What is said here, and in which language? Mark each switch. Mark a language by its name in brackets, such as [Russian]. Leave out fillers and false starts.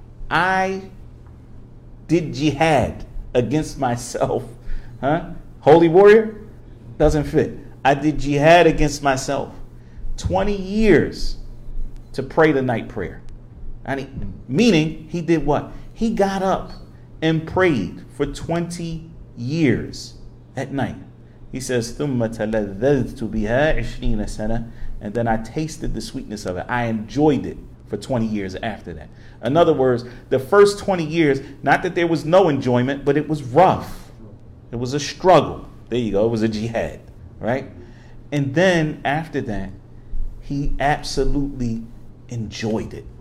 [English] I did jihad against myself. Huh? Holy warrior? Doesn't fit. I did jihad against myself 20 years to pray the night prayer. And meaning, he did what? He got up and prayed for 20 years at night. He says, [Arabic] ثُمَّ تَلَذَّذْتُ بِهَا 20 سَنَةً. [English] And then I tasted the sweetness of it. I enjoyed it for 20 years after that. In other words, the first 20 years, not that there was no enjoyment, but it was rough. It was a struggle. There you go. It was a jihad, right? And then after that, he absolutely enjoyed it.